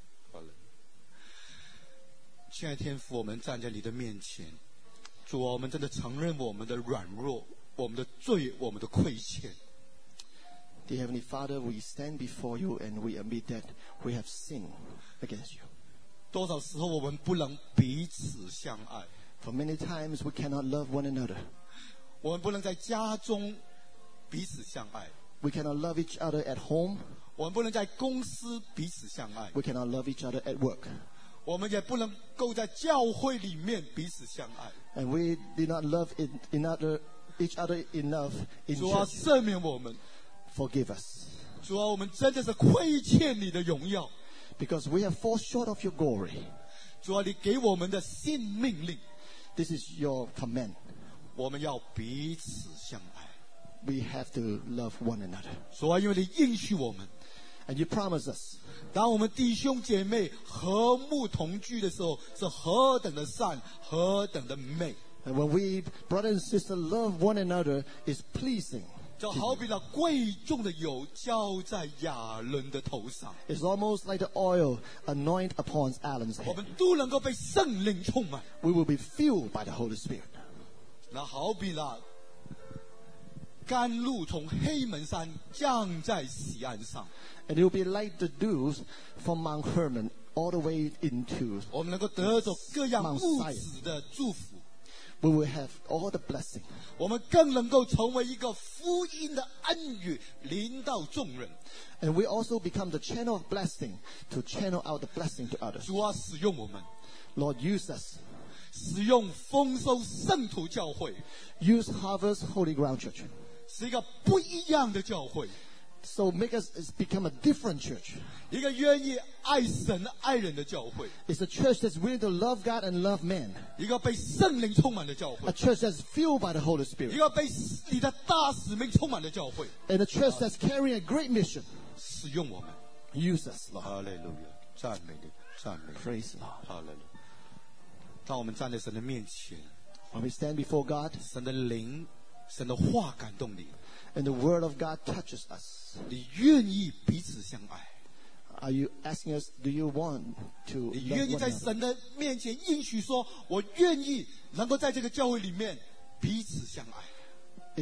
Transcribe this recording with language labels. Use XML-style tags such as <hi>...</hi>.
<zh>好了，亲爱的天父，我们站在你的面前，主啊，我们真的承认我们的软弱，我们的罪，我们的亏欠。</zh> <en>Dear Heavenly Father, we stand before you and we admit that we have sinned against you.</en> <zh>多少时候我们不能彼此相爱</zh> <en>？For many times we cannot love one another.</en> <zh>我们不能在家中彼此相爱</zh> <en>？We cannot love each other at home.</en> <zh>我们不能在公司彼此相爱。</zh> <en>We cannot love each other at work.</en> <zh>我们也不能够在教会里面彼此相爱。</zh> <en>And we did not love in another each other in love in church.</en> <zh>主啊，赦免我们。</zh> <en>Forgive us.</en> <zh>主啊，我们真的是亏欠你的荣耀。</zh> <en>Because we have fallen short of your glory.</en> <zh>主啊，你给我们的新命令。</zh> <en>This is your command.</en> <zh>我们要彼此相爱。</zh> <en>We have to love one another.</en> <zh>主啊，因为你应许我们。</zh> <en>And you promise us.</en> <zh>当我们弟兄姐妹和睦同居的时候，是何等的善，何等的美。</zh> <en>And when we brother and sister love one another, is pleasing.</en> <zh>就好比那贵重的油浇在亚伦的头上。</zh> <en>It's almost like the oil anoint upon Aaron's head.</en> <zh>我们都能够被圣灵充满。</zh> <en>We will be filled by the Holy Spirit.</en> <zh>那好比那甘露从黑门山降在锡安上。</zh> <en>And it will be like the dews from Mount Hermon all the way into Mount Zion. We will have all the blessing. We will become a gospel blessing to people. And we also become the channel of blessing to channel out the blessing to others.</en> <zh>主啊，使用我们。</zh> <en>Lord, use us.</en> <zh>使用丰收圣徒教会。</zh> <en>Use Harvest Holy Ground Church.</en> <zh>是一个不一样的教会。</zh> <en>So make us become a different church.</en> <zh>一个愿意爱神爱人的教会。</zh> <en>It's a church that's willing to love God and love man.</en> <zh>一个被圣灵充满的教会。</zh> <en>A church that's filled by the Holy Spirit.</en> <zh>一个被你的大使命充满的教会。</zh> <en>And a church that's carrying a great mission.</en> <zh>使用我们。</zh> <en>Use us, Lord.</en> <zh>Hallelujah. 赞美你，赞美。</zh> <en>Praise Lord.</en> <zh>Hallelujah. 当我们站在神的面前。</zh> <en>When we stand before God.</en> <zh>神的灵，神的话感动你。</zh> <en>And the word of God touches us.</en> <zh>你愿意彼此相爱。</zh> <en>Are you asking us, do you want to love one another?</en> <zh>你愿意在神的面前应许说，我愿意能够在这个教会里面彼此相爱。</zh>